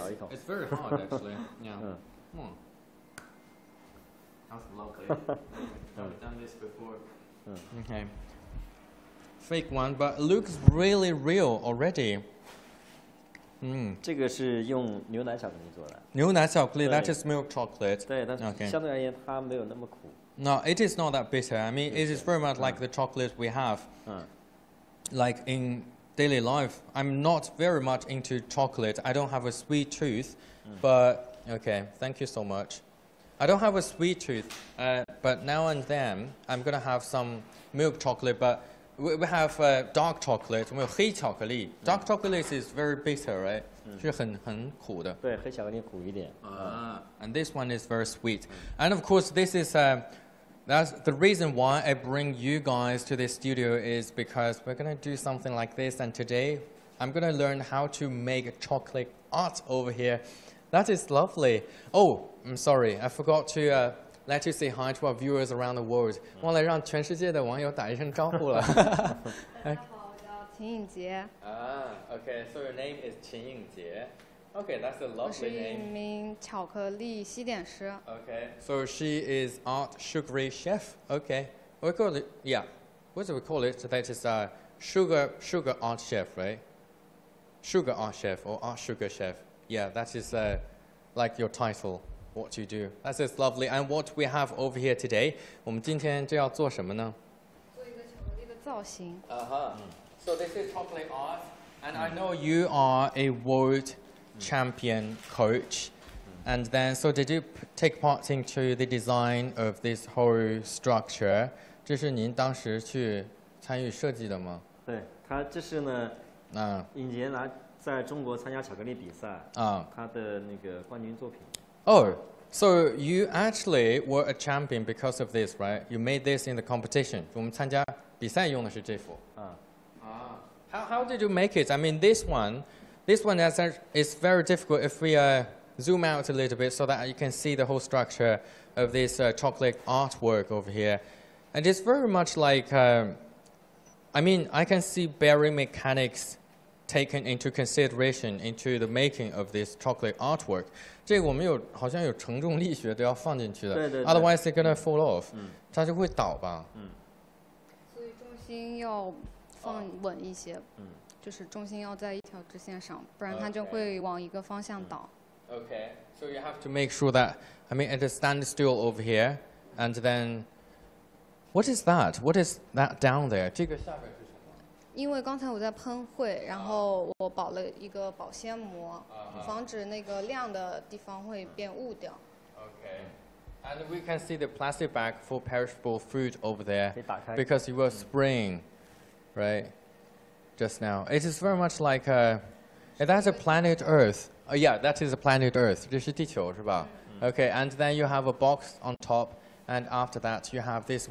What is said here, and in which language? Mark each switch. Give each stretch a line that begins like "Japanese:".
English: It's very hard, actually. Yeah. That's lovely. I've done this before. Okay. fake one, but it looks really real already.
Chinese: 这个是用牛奶巧克力做的。牛奶巧克力,
English: that is milk chocolate.
Chinese: 对，但是相对而言它没有那么苦。No,
English: okay. It is not that bitter. I mean, it is very much like the chocolate we have. Like in daily life, I'm not very much into chocolate. I don't have a sweet tooth, but okay, thank you so much. I don't have a sweet tooth, but now and then, I'm going to have some milk chocolate, but we have dark chocolate,
Chinese: 我们有黑巧克力,
English: dark chocolate is very bitter, right?
Chinese: 是很苦的。对,黑巧克力苦一点。
English: And this one is very sweet. And of course, this is, that's the reason why I bring you guys to this studio is because we're going to do something like this, and today, I'm going to learn how to make chocolate art over here. That is lovely. Oh, I'm sorry, I forgot to let you say hi to our viewers around the world.
Chinese: 忘了让全世界的网友打一声招呼了。大家好，我叫秦颖杰。
English: Okay, so your name is 秦颖杰.Okay, that's a lovely name.
Chinese: 我是一名巧克力西点师。
English: Okay, so she is art sugary chef. Okay, we call it, yeah, what do we call it? So that is sugar art chef, right? Sugar art chef or art sugar chef. Yeah, that is like your title, what you do. That is lovely. And what we have over here today,
Chinese: 我们今天就要做什么呢? 做一个巧克力的造型。
English: So this is chocolate art, and I know you are a world champion coach. And then, so did you take part into the design of this whole structure?
Chinese: 这是您当时去参与设计的吗? 对,他这是呢, 尹杰拿
English: So you actually were a champion because of this, right? You made this in the competition. How did you make it? I mean, this one is very difficult. If we zoom out a little bit so that you can see the whole structure of this chocolate artwork over here. And it's very much like, I mean, I can see bearing mechanics taken into consideration into the making of this chocolate artwork.
Chinese: 这个我们有好像有承重力学都要放进去的。
English: Otherwise, they're going to fall off.
Chinese: 它就会倒吧。所以重心要放稳一些。就是重心要在一条直线上,不然它就会往一个方向倒。Okay,
English: so you have to make sure that, I mean, it is standstill over here, and then, what is that? What is that down there?
Chinese: 因为刚才我在喷绘，然后我保了一个保鲜膜，防止那个亮的地方会变雾掉。Okay,
English: and we can see the plastic bag for perishable food over there because you were spraying, right? Just now, it is very much like that's a planet Earth. Oh yeah, that is a planet Earth.
Chinese: 这是地球是吧?
English: Okay, and then you have a box on top, and after that you have this.